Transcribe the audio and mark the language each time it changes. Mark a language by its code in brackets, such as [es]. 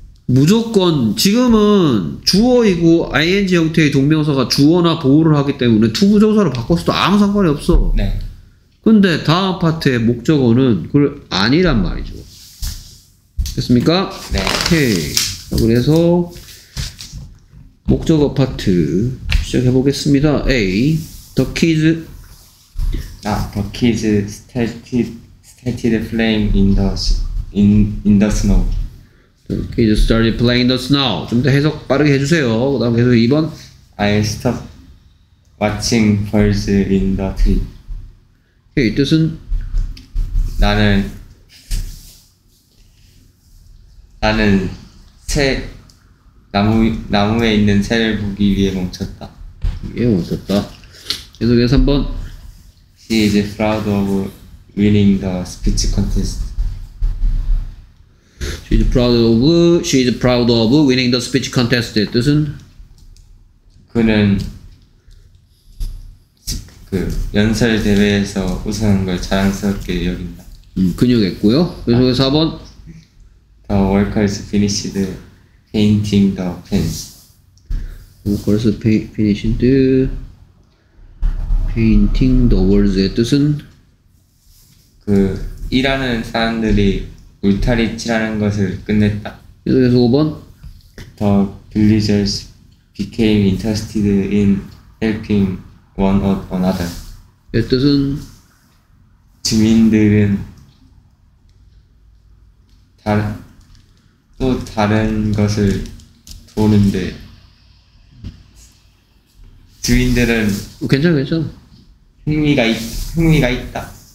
[ko] 무조건 지금은 주어이고 ing 형태의 동명사가 주어나 보호를 하기 때문에 to 부정사로 바꿨어도 아무 상관이 없어. 네. 근데 다음 파트의 목적어는 그걸 아니란 말이죠. 됐습니까? 네. 오케이. 그래서 목적어 파트 시작해보겠습니다. [en] A. The kids. 아, the kids started playing in the snow. Okay, just started playing the snow. [ko] 좀 더 해석 빠르게 해주세요. 그 다음 계속 2번. [en] I stopped watching birds in the tree. Okay, [ko] 뜻은? 나는 새, 나무에 있는 새를 보기 위해 멈췄다. 예, 멈췄다. 계속해서 3번. [en] She is proud of winning the speech contest. She is proud of winning the speech contest. [ko] 뜻은? 그는 그 연설 대회에서 우승한 걸 자랑스럽게 여긴다. 근육했고요. 그래서 아, 4번. [en] The workers finished painting the fence. Workers finished painting the walls. [ko] 뜻은? 그 일하는 사람들이 울타리 칠하는 것을 끝냈다. 그래서 5번. [en] The villagers became interested in helping one another. [ko] 예, 뜻은? 주민들은 또 다른 것을 도는데 주민들은 괜찮아. 흥미가 있다.